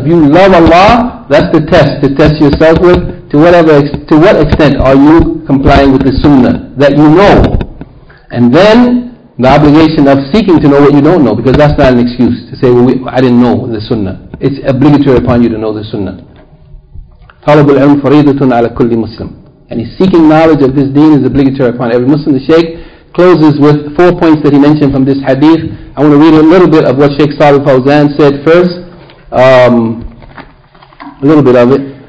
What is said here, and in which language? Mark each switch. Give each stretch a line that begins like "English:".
English: If you love Allah, that's the test to test yourself with. To what extent are you complying with the Sunnah that you know? And then the obligation of seeking to know what you don't know, because that's not an excuse to say, well, I didn't know the Sunnah. It's obligatory upon you to know the Sunnah.
Arabic: طلب العلم فريضة على كل مسلم.
English: And seeking knowledge of this deen is obligatory upon every Muslim. The Shaykh closes with 4 points that he mentioned from this hadith. I want to read a little bit of what Shaykh Saleh Fawzan said first. A little bit of it.